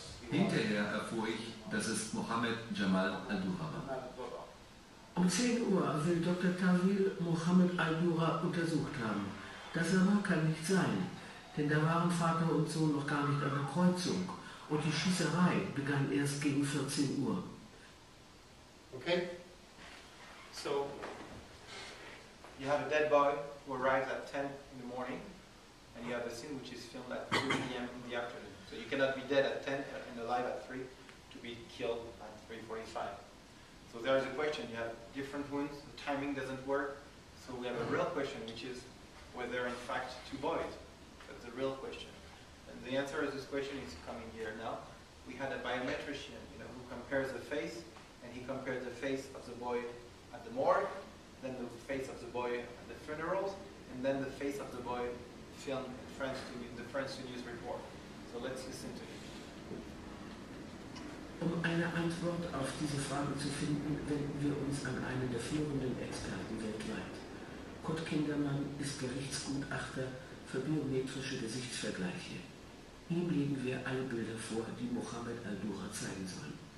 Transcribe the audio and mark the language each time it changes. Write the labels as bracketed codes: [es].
[de] Hinterher erfuhr ich, dass es Mohammed Jamal al-Dura war. Um 10 Uhr will Dr. Tawil Mohammed al-Dura untersucht haben. Das aber kann nicht sein, denn da waren Vater und Sohn noch gar nicht an der Kreuzung und die Schießerei begann erst gegen 14 Uhr. [en] Okay? So, you have a dead boy who arrives at 10 in the morning, and you have a scene which is filmed at 3 p.m. in the afternoon. So you cannot be dead at 10 and alive at 3 to be killed at 3:45. So there is a question. You have different wounds. The timing doesn't work. So we have a real question, which is whether, in fact, two boys. That's a real question. And the answer to this question is coming here now. We had a biometrician, you know, who compares the face, and he compared the face of the boy at the morgue, then the face of the boy at the funerals, and then the face of the boy filmed in France to the French news report. So let's listen to him. [de] Um eine Antwort auf diese Frage zu finden, wenden wir uns an einen der führenden Experten weltweit. Kurt Kindermann ist Gerichtsgutachter für biometrische Gesichtsvergleiche. Ihm legen wir alle Bilder vor, die Mohammed al Dura zeigen sollen.